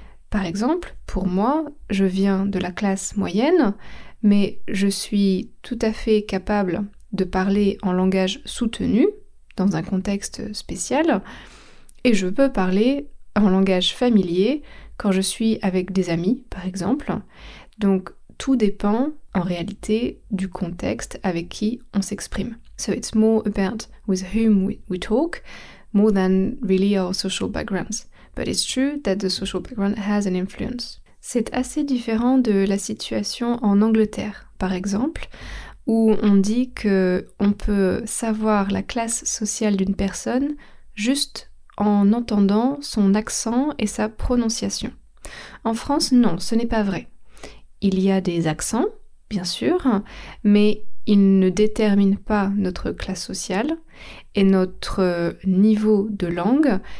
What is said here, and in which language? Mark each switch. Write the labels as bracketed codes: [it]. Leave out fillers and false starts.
[fr] Par exemple, pour moi, je viens de la classe moyenne, mais je suis tout à fait capable de parler en langage soutenu, dans un contexte spécial, et je peux parler en langage familier quand je suis avec des amis, par exemple. Donc, tout dépend, en réalité, du contexte avec qui on s'exprime. [en] So it's more about with whom we talk, more than really our social backgrounds. But it's true that the social background has an influence. [fr] C'est assez différent de la situation en Angleterre, par exemple, où on dit qu'on peut savoir la classe sociale d'une personne juste en entendant son accent et sa prononciation. En France, non, ce n'est pas vrai. Il y a des accents, bien sûr, mais ils ne déterminent pas notre classe sociale et notre niveau de langue.